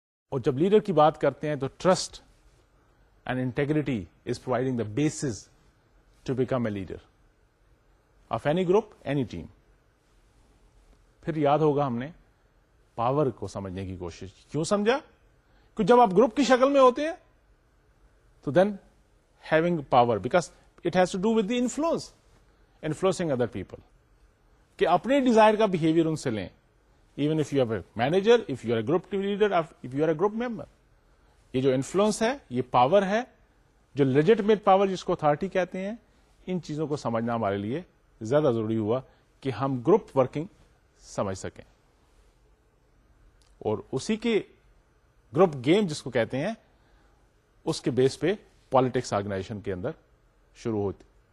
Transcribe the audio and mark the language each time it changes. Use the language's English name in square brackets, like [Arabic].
[Urdu] اور جب لیڈر کی بات کرتے ہیں تو [English] trust and integrity is providing the basis to become a leader of any group any team [Urdu] پھر یاد ہوگا ہم نے پاور کو سمجھنے کی کوشش کیوں سمجھا جب آپ گروپ کی شکل میں ہوتے ہیں تو [English] Then having power because it has to do with the influence influencing other people. [Urdu] کہ اپنے ڈیزائر کا بہیویئر ان سے لیں. [English] Even if you have a manager, if you are a group leader, if you are a group member. [Urdu] یہ جو influence ہے, یہ power ہے, جو legitimate power جس کو authority کہتے ہیں, ان چیزوں کو سمجھنا ہمارے لیے زیادہ ضروری ہوا کہ ہم گروپ ورکنگ سمجھ سکیں. اور اسی کے گروپ گیم جس کو کہتے ہیں, اس کے بیس پہ پالیٹکس آرگنائزیشن کے اندر شروع ہوتی.